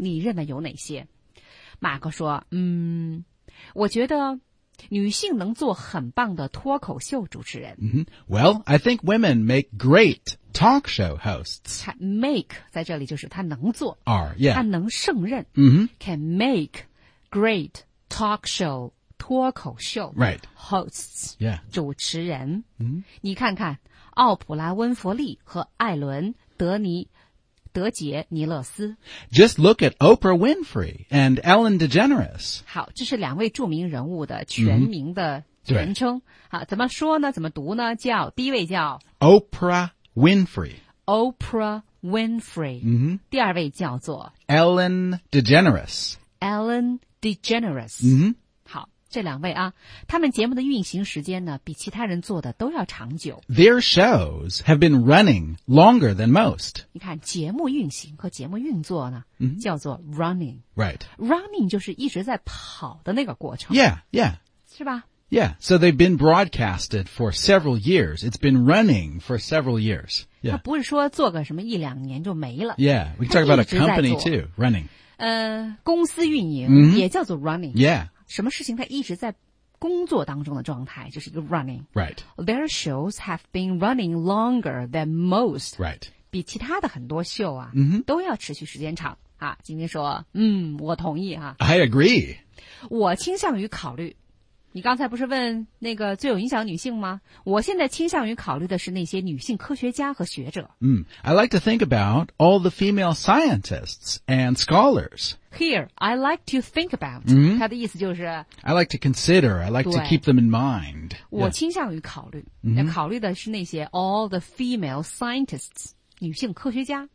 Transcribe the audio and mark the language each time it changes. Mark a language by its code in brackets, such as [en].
[zh] 你认为有哪些马克说我觉得女性能做很棒的脱口秀主持人、 mm-hmm. [en] Well, I think women make great talk show hosts [zh] Make 在这里就是她能做 [en] Are, yeah [zh] 她能胜任、 mm-hmm. [en] Can make great talk show [zh] 脱口秀 [en] right hosts yeah [zh] 主持人嗯、mm-hmm. 你看看奥普拉温弗利和艾伦德尼德杰尼勒斯 [en] Just look at Oprah Winfrey and Ellen DeGeneres [zh] 好这是两位著名人物的全名的全称、mm-hmm. 好怎么说呢怎么读呢叫第一位叫 [en] Oprah Winfrey Oprah Winfrey、 mm-hmm. [zh] 第二位叫做 [en] Ellen DeGeneres Ellen DeGeneres 嗯、mm-hmm. [zh] 这两位啊，他们节目的运行时间呢，比其他人做的都要长久。 [en] Their shows have been running longer than most. [zh] 你看，节目运行和节目运作呢，叫做 running. [en] Right. [zh] Running 就是一直在跑的那个过程。 [en] Yeah, yeah. [zh] 是吧？ [en] Yeah, so they've been broadcasted for several years. It's been running for several years. Yeah. [zh] 它不是说做个什么一两年就没了。 [en] Yeah, we can talk about a company too, running. [zh] 公司运营也叫做 running. [en] Yeah. [zh] 什么事情他一直在工作当中的状态就是一个 running [en] Right Their shows have been running longer than most Right [zh] 比其他的很多秀啊、 mm-hmm. 都要持续时间长啊。今天说我同意啊。 [en] I agree [zh] 我倾向于考虑你刚才不是问那个最有影响女性吗我现在倾向于考虑的是那些女性科学家和学者、 mm. [en] I like to think about all the female scientists and scholars Here, I like to think about、 mm. [zh] 它的意思就是 [en] I like to consider, I like to keep them in mind [zh] 我倾向于考虑、 mm-hmm. 考虑的是那些 [en] all the female scientists [zh] 女性科学家